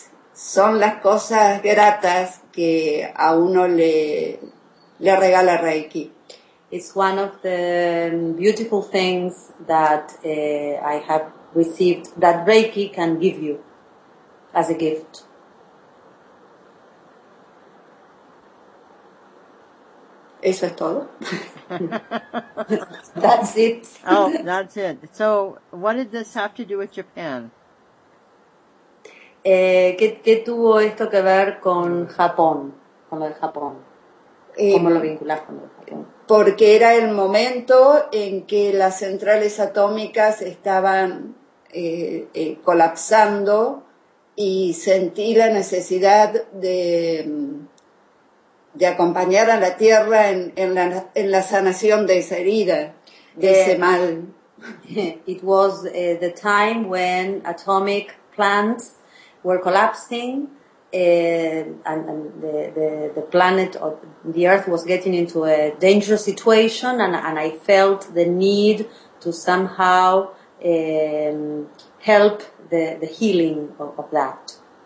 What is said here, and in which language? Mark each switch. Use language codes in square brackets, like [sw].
[es] Son las cosas gratas que a uno le regala Reiki. [en] It's one of the beautiful things that I have received, that Reiki can give you as a gift. [es] Eso es todo. [en] That's it. Oh, that's it. So, what did this have to do with Japan? [es] ¿Qué tuvo esto que ver con Japón? Con lo de Japón. ¿Cómo lo vinculas con lo de Japón? Porque era el momento en que las centrales atómicas estaban colapsando y sentí la necesidad de acompañar a la Tierra en la sanación de esa herida, de ese mal. [en] It was the time when atomic plants were collapsing and the planet or the Earth was getting into a dangerous situation, and I felt the need to somehow help the healing of that.